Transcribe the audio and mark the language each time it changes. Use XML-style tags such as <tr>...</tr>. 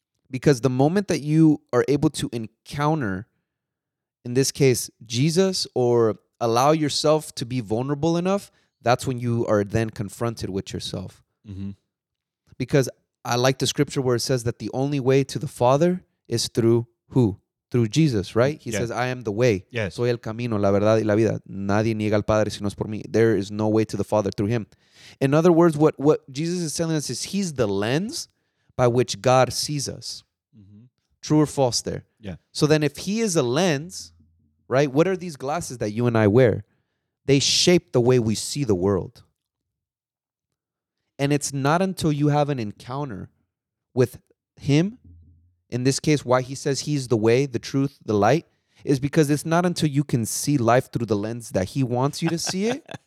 <en>Because the moment that you are able to encounter, in this case, Jesus, or allow yourself to be vulnerable enough, that's when you are then confronted with yourself. Mm-hmm. Because I like the scripture where it says that the only way to the Father is through who? through Jesus, right? He says, I am the way. Yes.</en> <es>Soy el camino, la verdad y la vida. Nadie niega al Padre si no es por mí.</es> <en>There is no way to the Father through him. In other words, what Jesus is telling us is he's the lens by which God sees us. Mm-hmm. True or false there? Yeah. So then if he is a lens, right, what are these glasses that you and I wear? They shape the way we see the world. And it's not until you have an encounter with him, in this case, why he says he's the way, the truth, the light, is because it's not until you can see life through the lens that he wants you to see it,</en>